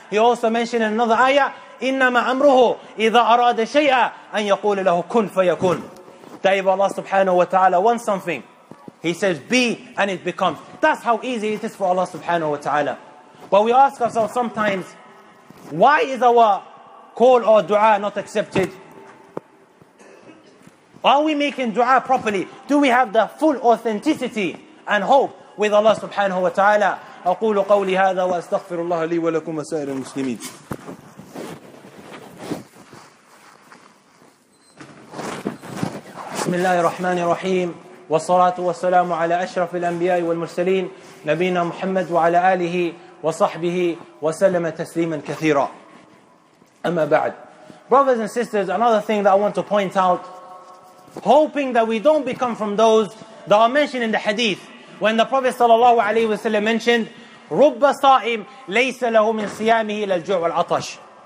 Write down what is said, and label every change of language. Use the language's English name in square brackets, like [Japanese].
[English] He also mentioned in another ayah, [Arabic] إِنَّمَا أَمْرُهُ إِذَا أَرَادَ شَيْئًا أَنْ يَقُولَ لَهُ كُنْ فَيَكُنْ. [English] That if Allah subhanahu wa ta'ala wants something, He says be and it becomes. That's how easy it is for Allah subhanahu wa ta'ala. But we ask ourselves sometimes, why is our call or dua not accepted? Are we making dua properly? Do we have the full authenticity and hope with Allah subhanahu wa ta'ala? [Arabic] أقول قولي هذا وأستغفر الله لي ولكم وسائر المسلمين. بسم الله الرحمن الرحيم والصلاة والسلام على أشرف الأنبياء والمرسلين نبينا محمد وعلى آله وصحبه وسلم تسليما كثيرا. أما بعد, [English] brothers and sisters, another thing that I want to point out, hoping that we don't become from those that are mentioned in the hadith when the Prophet sallallahu alaihi wasallam mentioned [Arabic] رُبَّ صَائِمْ لَيْسَ لَهُ مِنْ صِيَامِهِ إِلَى الْجُوعِ وَالْعَطَشِ.